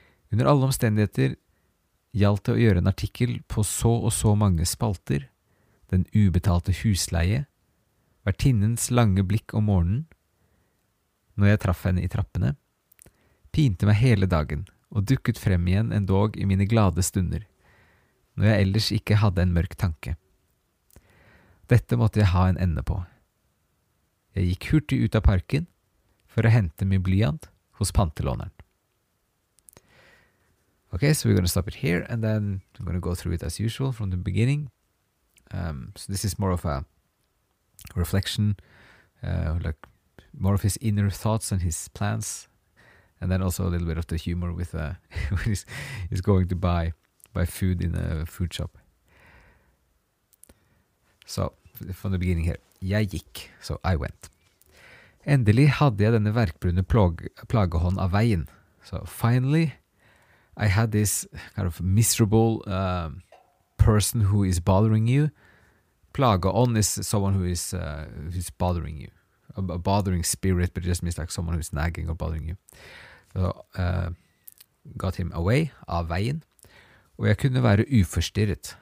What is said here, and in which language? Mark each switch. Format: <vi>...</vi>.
<no>Under alle omstendigheter gjaldt det å gjøre en artikkel på så og så mange spalter, den ubetalte husleie, vertinnens lange blikk om morgenen, når jeg traff henne I trappene, pinte meg hele dagen, og dukket frem igjen endog I mine glade stunder, når jeg ellers ikke hadde en mørk tanke. Dette måtte jeg ha en ende på. Jeg gikk hurtig ut av parken for å hente min blyant hos pantelåneren.</no> <en>Okay, so we're going to stop it here, and then I'm going to go through it as usual from the beginning. So this is more of a reflection, like more of his inner thoughts and his plans. And then also a little bit of the humor with when he's going to buy food in a food shop. So, from the beginning here.</en> <no>Jeg gikk,</no> <en>so I went.</en> <no>Endelig hadde jeg denne verkbrune plagehånd av veien.</no> <en>So, finally, I had this kind of miserable person who is bothering you. Plagehånd is someone who is bothering you. A bothering spirit, but it just means like someone who's nagging or bothering you.</en> <no>Så</no> <en>got him away,</en> <no>av veien, og jeg kunne være uforstyrret.</no>